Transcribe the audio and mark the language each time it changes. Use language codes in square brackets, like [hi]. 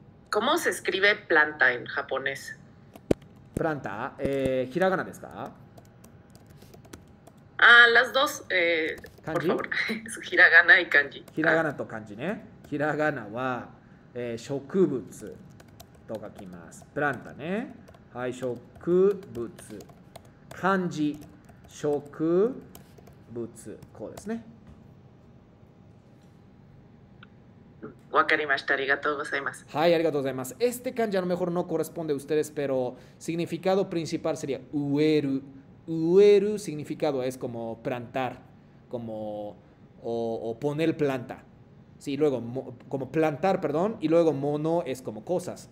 [es] ¿Cómo se escribe planta en japonés? [ja] プランター、ひらがなですか？ [es] Las dos, [ja] 漢 [es] por favor. [ja] 字？ひらがない漢字。ひらがなと漢字ね。ひらがなは、植物と書きます。プランタね。はい、植物。漢字、植物。こうですね。わかりました。ありがとうございます。はい、ありがとうございます。 [es] este [ja] 漢字は、あの、 [es] mejor no corresponde a ustedes, pero significado principal sería 植える。 significado es como plantar, como o poner planta. Sí, luego, como plantar, perdón, y luego mono es como cosas.